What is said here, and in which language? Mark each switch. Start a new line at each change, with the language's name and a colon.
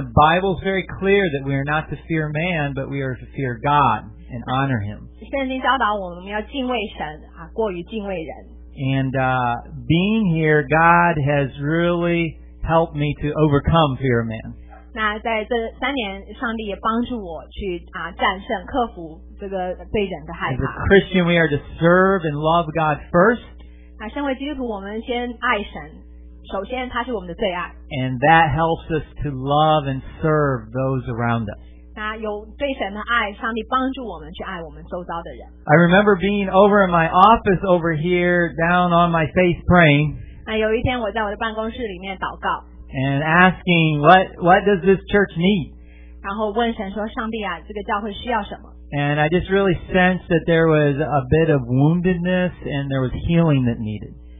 English: The Bible is very clear that we are not to fear man, but we are to fear God and honor Him.
Chinese: 圣经教导我们要敬畏神，过于敬畏人。
English: And being here, God has really helped me to overcome fear of man.
Chinese: 那在这三年，上帝也帮助我去战胜、克服这个对人的害怕。
English: As a Christian, we are to serve and love God first.
Chinese: 那身为基督徒，我们先爱神，首先他是我们的最爱。
English: And that helps us to love and serve those around us.
Chinese: 那有对神的爱，上帝帮助我们去爱我们周遭的人。
English: I remember being over in my office over here, down on my face praying.
Chinese: 那有一天我在我的办公室里面祷告。
English: And asking, what does this church need?
Chinese: 然后问神说，上帝啊，这个教会需要什么？
English: And I just really sensed that there was a bit of woundedness and there was healing that needed.